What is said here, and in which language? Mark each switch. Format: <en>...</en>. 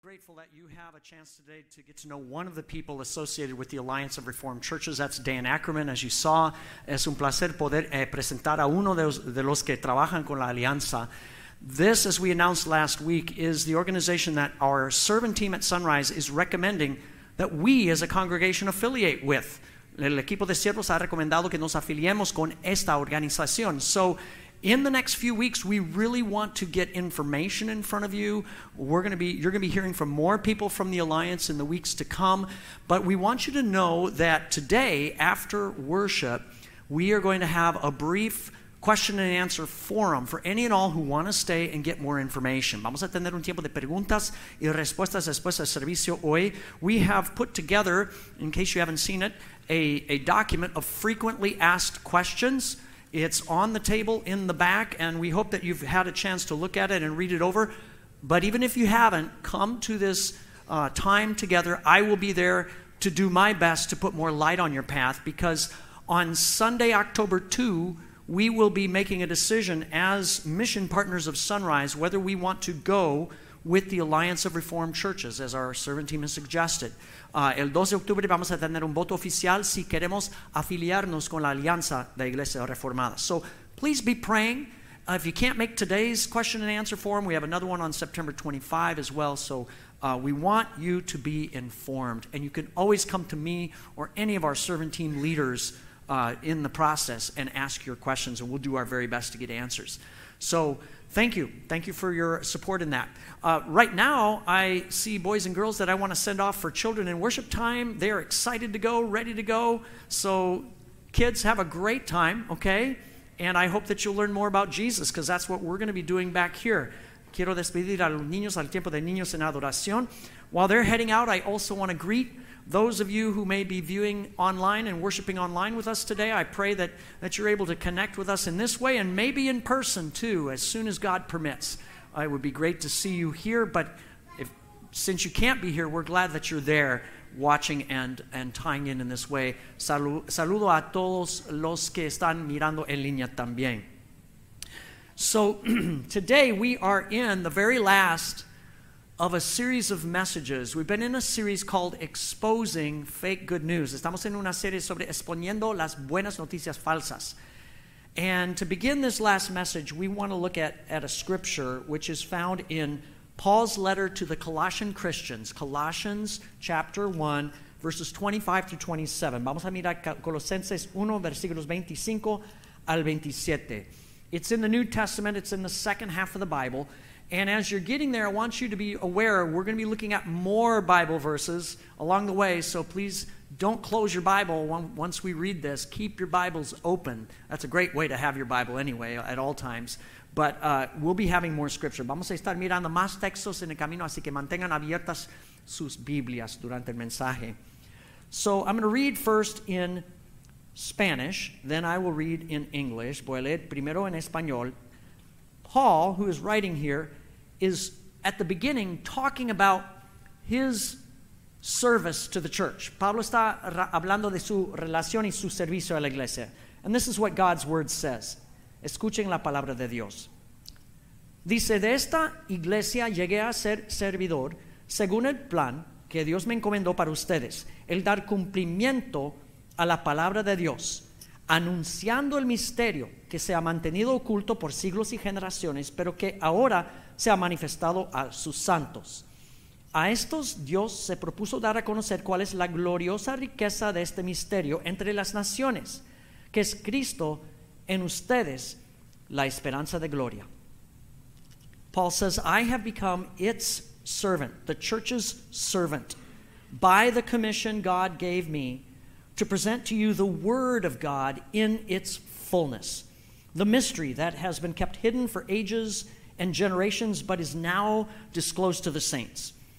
<en>grateful that you have a chance today to get to know one of the people associated with the Alliance of Reformed Churches. That's Dan Ackerman, as you saw.</en> <es>Es un placer poder presentar a uno de los que trabajan con la Alianza.</es> <en>This, as we announced last week, is the organization that our servant team at Sunrise is recommending that we as a congregation affiliate with.</en> <es>El equipo de siervos ha recomendado que nos afiliemos con esta organización.</es> <en>So, in the next few weeks, we really want to get information in front of you. You're going to be hearing from more people from the Alliance in the weeks to come. But we want you to know that today, after worship, we are going to have a brief question and answer forum for any and all who want to stay and get more information.</en> <es>Vamos a tener un tiempo de preguntas y respuestas después del servicio hoy.</es> <en>We have put together, in case you haven't seen it, a document of frequently asked questions. It's on the table in the back, and we hope that you've had a chance to look at it and read it over. But even if you haven't, come to this time together. I will be there to do my best to put more light on your path, because on Sunday, October 2, we will be making a decision as mission partners of Sunrise whether we want to go with the Alliance of Reformed Churches, as our servant team has suggested.</en> <es>El 12 de octubre vamos a tener un voto oficial si queremos afiliarnos con la Alianza de Iglesia Reformada.</es> <en>So please be praying. If you can't make today's question and answer forum, we have another one on September 25 as well. So we want you to be informed. And you can always come to me or any of our servant team leaders in the process and ask your questions, and we'll do our very best to get answers. So thank you. Thank you for your support in that. Right now, I see boys and girls that I want to send off for children in worship time. They are excited to go, ready to go. So kids, have a great time, okay? And I hope that you'll learn more about Jesus, because that's what we're going to be doing back here.</en> <es>Quiero despedir a los niños al tiempo de niños en adoración.</es> <en>While they're heading out, I also want to greet those of you who may be viewing online and worshiping online with us today. I pray that you're able to connect with us in this way, and maybe in person too, as soon as God permits. It would be great to see you here, but since you can't be here, we're glad that you're there watching and tying in this way.</en> <es>Saludo a todos los que están mirando en línea también.</es> <en>So today we are in the very last of a series of messages. We've been in a series called Exposing Fake Good News.</en> <es>Estamos en una serie sobre exponiendo las buenas noticias falsas.</es> <en>And to begin this last message, we want to look at a scripture which is found in Paul's letter to the Colossian Christians, Colossians chapter 1, verses 25 through 27.</en> <es>Vamos a mirar Colosenses 1, versículos 25 al 27.</es> <en>It's in the New Testament, it's in the second half of the Bible. And as you're getting there, I want you to be aware we're going to be looking at more Bible verses along the way, so please don't close your Bible once we read this. Keep your Bibles open. That's a great way to have your Bible anyway at all times. But we'll be having more scripture.</en> <es>Vamos a estar mirando más textos en el camino, así que mantengan abiertas sus Biblias durante el mensaje.</es> <en>So I'm going to read first in Spanish, then I will read in English.</en> <es>Voy a leer primero en español.</es> <en>Paul, who is writing here, is at the beginning talking about his service to the church.</en> <es>Pablo está hablando de su relación y su servicio a la iglesia.</es> <en>And this is what God's word says.</en> <es>Escuchen la palabra de Dios. Dice, de esta iglesia llegué a ser servidor según el plan que Dios me encomendó para ustedes, el dar cumplimiento a la palabra de Dios, anunciando el misterio que se ha mantenido oculto por siglos y generaciones, pero que ahora se ha manifestado a sus santos. A estos Dios se propuso dar a conocer cuál es la gloriosa riqueza de este misterio entre las naciones, que es Cristo en ustedes, la esperanza de gloria.</es> <en>Paul says, I have become its servant, the church's servant, by the commission God gave me to present to you the word of God in its fullness, the mystery that has been kept hidden for ages and generations, but is now disclosed to the saints.</en>